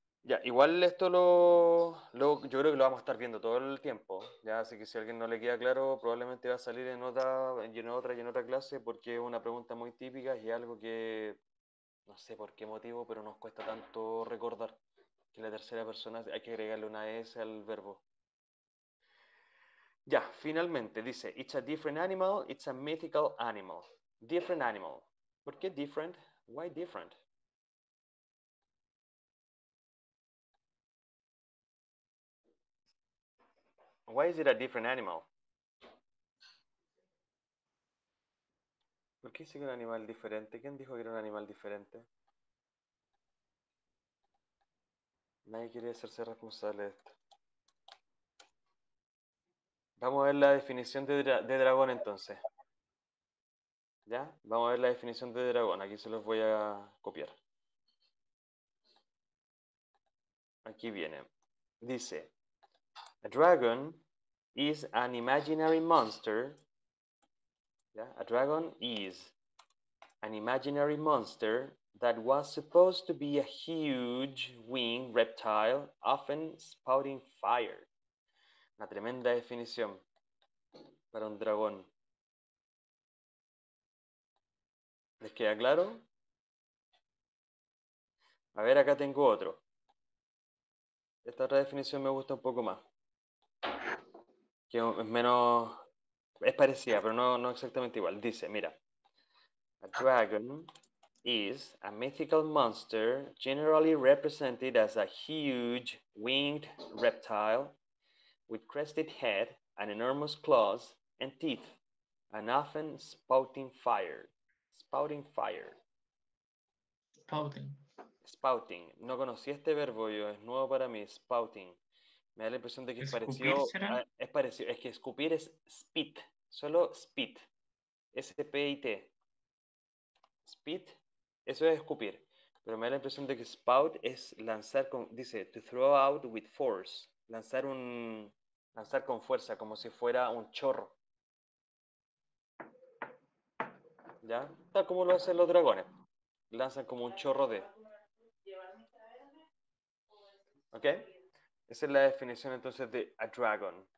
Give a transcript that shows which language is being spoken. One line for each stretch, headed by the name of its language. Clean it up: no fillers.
Spanish: Ya, igual esto lo yo creo que lo vamos a estar viendo todo el tiempo, ¿ya? Así que si a alguien no le queda claro, probablemente va a salir en otra clase, porque es una pregunta muy típica y algo que, no sé por qué motivo, pero nos cuesta tanto recordar que la tercera persona hay que agregarle una S al verbo. Ya, finalmente, dice,
English: it's a different animal, it's a mythical animal. Different animal.
Spanish: ¿Por qué
English: different? Why different? Why is it a different animal?
Spanish: ¿Por qué es un animal diferente? ¿Quién dijo que era un animal diferente? Nadie quiere hacerse responsable de esto. Vamos a ver la definición de dragón entonces. ¿Ya? Vamos a ver la definición de dragón. Aquí se los voy a copiar. Aquí viene.
English: Dice, a dragon is an imaginary monster. ¿Ya? A dragon is an imaginary monster that was supposed to be a huge winged reptile, often spouting fire.
Spanish: Una tremenda definición para un dragón. ¿Les queda claro? A ver, acá tengo otro. Esta otra definición me gusta un poco más. Que es menos... Es parecida, pero no exactamente igual. Dice, mira.
English: A dragon is a mythical monster generally represented as a huge winged reptile with crested head and enormous claws and teeth and often spouting fire. Spouting fire. Spouting. Spouting.
Spanish: No conocí este verbo yo, es nuevo para mí, spouting. Me da la impresión de que es parecido. Es que escupir es spit. Solo spit. S-P-I-T. Spit. Eso es escupir. Pero me da la impresión de que spout es lanzar con...
English: Dice, to throw out with force.
Spanish: Lanzar con fuerza, como si fuera un chorro. ¿Ya? Tal como lo hacen los dragones. Lanzan como un chorro de... ¿Ok? Esa es la definición entonces de a dragon.